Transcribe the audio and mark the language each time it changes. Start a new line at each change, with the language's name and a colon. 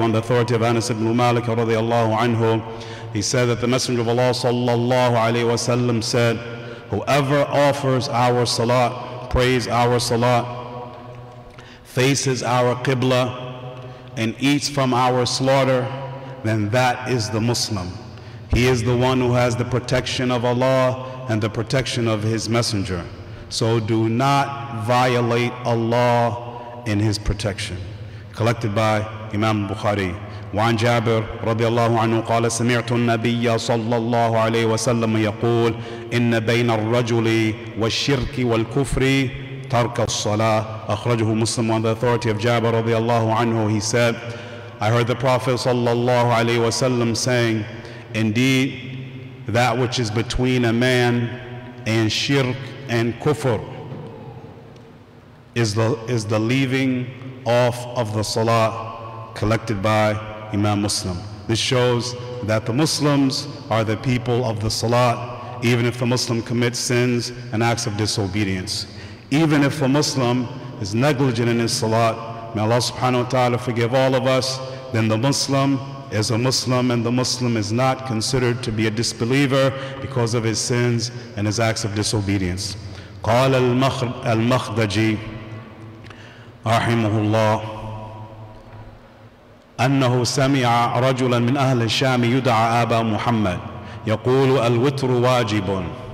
English: On the authority of Anas ibn Malik radiallahu anhu, he said that the Messenger of Allah sallallahu alayhi wa sallam said, whoever offers our salat, prays our salat, faces our qibla, and eats from our slaughter, then that is the Muslim. He is the one who has the protection of Allah and the protection of His Messenger. So do not violate Allah in His protection. Collected by Imam Bukhari.
Arabic: وعن جابر رضي الله عنه قال سمعت النبي صلى الله عليه وسلم يقول إن بين الرجل والشرك والكفر ترك الصلاة. أخرجه مسلم.
English: On the authority of Jabir رضي الله عنه, he said, I heard the Prophet صلى الله عليه وسلم saying, indeed, that which is between a man and shirk and kufr is the leaving off of the salah. Collected by Imam Muslim. This shows that the Muslims are the people of the salat, even if the Muslim commits sins and acts of disobedience. Even if a Muslim is negligent in his salat, may Allah subhanahu wa ta'ala forgive all of us, then the Muslim is a Muslim, and the Muslim is not considered to be a disbeliever because of his sins and his acts of disobedience.
Arabic: قال المخدجي رحمه الله أنه سمع رجلا من أهل الشام يدعى أبا محمد يقول الوتر واجب.